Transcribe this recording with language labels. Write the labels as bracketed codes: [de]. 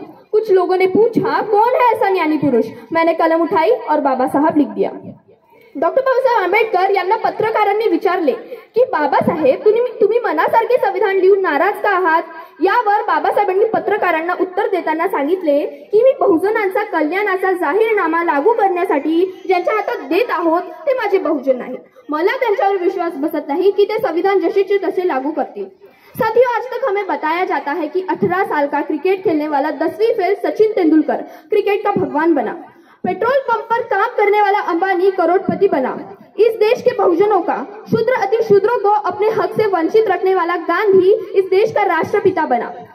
[hi] कुछ लोगों ने पूछा कौन है ऐसा ज्ञानी पुरुष। मैंने कलम उठाई और बाबा साहब लिख दिया। [mr] डॉक्टर बाबासाहेब आंबेडकर यांना पत्रकारांनी विचारले की बाबासाहेब तुम्ही मनासारखे संविधान लिहून नाराज का आहात। यावर बाबासाहेबांनी पत्रकारांना उत्तर देताना सांगितले की मी बहुजनांचा कल्याणाचा जाहीरनामा लागू करण्यासाठी ज्यांच्या हातात देत आहोत ते माझे बहुजन नाहीत। मला त्यांच्यावर विश्वास बसत नाही की ते संविधान जसेच्या तसे लागू करतील। [hi] साथियों, आज तक हमें बताया जाता है कि 18 साल का क्रिकेट खेलने वाला 10वीं फेल सचिन तेंदुलकर क्रिकेट का भगवान बना। पेट्रोल पंप पर काम करने वाला अंबानी करोड़पति बना। इस देश के बहुजनों का, शूद्र अति शूद्रों को अपने हक से वंचित रखने वाला गांधी इस देश का राष्ट्रपिता बना।